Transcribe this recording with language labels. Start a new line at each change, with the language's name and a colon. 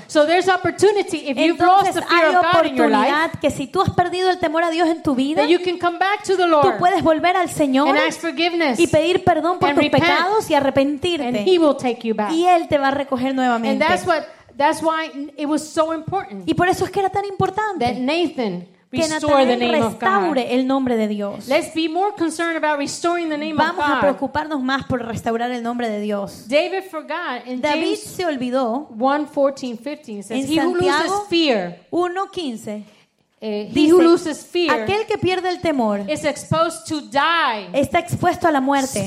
English: So there's opportunity if you've lost the fear of God in your life,
Spanish: que si tú has perdido el temor a Dios en tu vida,
English: that you can come back to the Lord,
Spanish: tú puedes volver al Señor,
English: and ask forgiveness,
Spanish: y pedir perdón por
English: and
Spanish: tus
English: repent,
Spanish: pecados y arrepentirte,
English: and he will take you back,
Spanish: y él te va a recoger nuevamente.
English: And that's why it was so important,
Spanish: y por eso es que era tan importante,
English: that Nathan.
Spanish: Que
English: Nathan
Spanish: restaure el nombre de Dios.
English: Let's be more concerned about restoring the name of God.
Spanish: Vamos a preocuparnos más por restaurar el nombre de Dios.
English: David forgot.
Spanish: David se olvidó.
English: 1:14-15 says he who loses fear. 1:15. He who loses fear.
Spanish: Aquel que pierde el temor.
English: Is exposed to die.
Spanish: Está expuesto a la muerte.